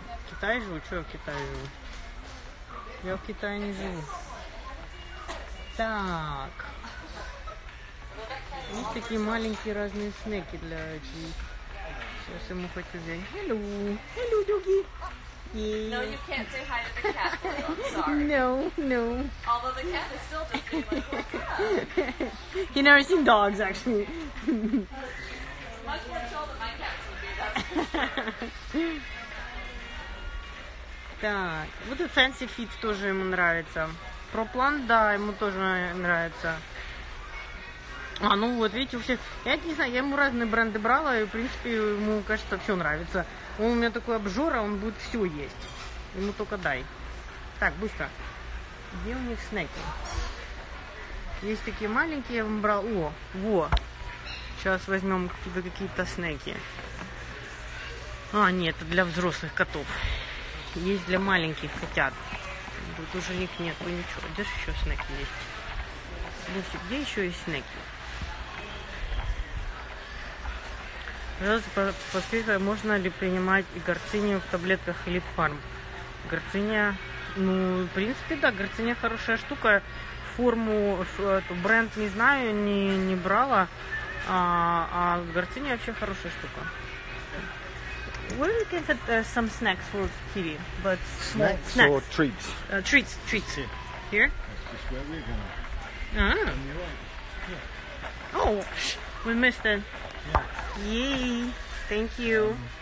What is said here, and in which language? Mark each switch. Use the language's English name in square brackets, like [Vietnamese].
[Russian] Китай живу? Чего я в Китае живу? Я в Китае не живу. Так. Есть такие маленькие разные снеки для этих. Сейчас ему хочу взять. [English] Hello. Hello, doggy. No, you can't say hi to the cat. No, no. Although the cat is still just being like, what's up? He never seen dogs, actually. Much more chill than my cat would be, that's true. [Russian] Так, вот и Fancy Feet тоже ему нравится. Про план, да, ему тоже нравится. А, ну вот, видите, у всех... Я не знаю, я ему разные бренды брала, и, в принципе, ему, кажется, все нравится. Он у меня такой обжора, он будет все есть. Ему только дай. Так, быстро. Где у них снеки? Есть такие маленькие, я вам брал. О, во. Сейчас возьмем тебе какие-то снеки. А, нет, это для взрослых котов. Есть для маленьких котят. Тут уже их нету, ничего. Где же еще снеки есть? Где еще есть снеки? Пожалуйста, посмотрите, можно ли принимать горциню в таблетках Липфарм. Горциня, ну, в принципе, да, горциня хорошая штука. Форму, бренд не знаю, не брала. А горциня вообще хорошая штука. [English] Where we can get some snacks for Kiwi, but small snacks. Or treats. Treats. Here. Here? That's just where we're going. Ah. Yeah. Oh, we missed it. Yeah. Yay! Thank you.